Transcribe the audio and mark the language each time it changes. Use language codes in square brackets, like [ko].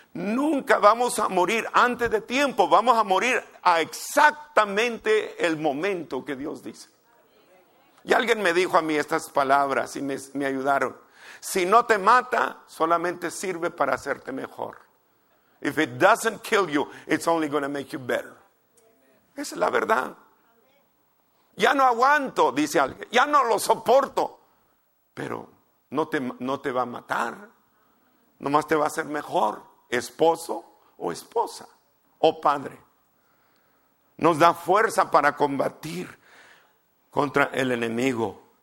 [es] Nunca vamos a morir antes de tiempo, vamos a morir a exactamente el momento que Dios dice. Y alguien me dijo a mí estas palabras y me ayudaron: si no te mata, solamente sirve para hacerte mejor. [en] If it doesn't kill you, it's only going to make you better. [es] Esa es la verdad. Ya no aguanto, dice alguien, ya no lo soporto, pero no te va a matar, nomás te va a hacer mejor, esposo o esposa o padre. Nos da fuerza para combatir contra el enemigo.